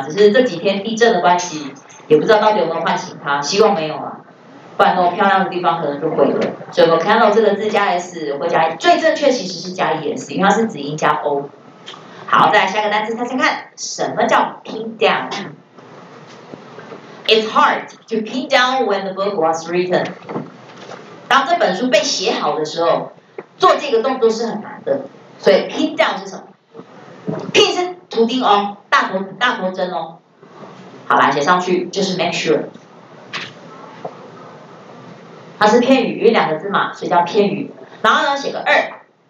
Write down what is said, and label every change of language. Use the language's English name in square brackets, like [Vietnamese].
[Chinese] 只是这几天地震的关系，也不知道到底有没有唤醒它，希望没有啊。不然那么漂亮的地方可能就毁了，所以 volcano 这个字加 s 或加最正确其实是加 es， 因为它是子音加 o。好，再来下一个单词，猜猜看，什么叫 pin down？ [English] It's hard to pin down when the book was written。 [Chinese] 当这本书被写好的时候，做这个动作是很难的，所以 pin down 是什么 ？pin 是图钉哦，大头针哦。好啦，写上去就是 make sure。它是片语，因为两个字嘛，所以叫片语。然后呢，写个二。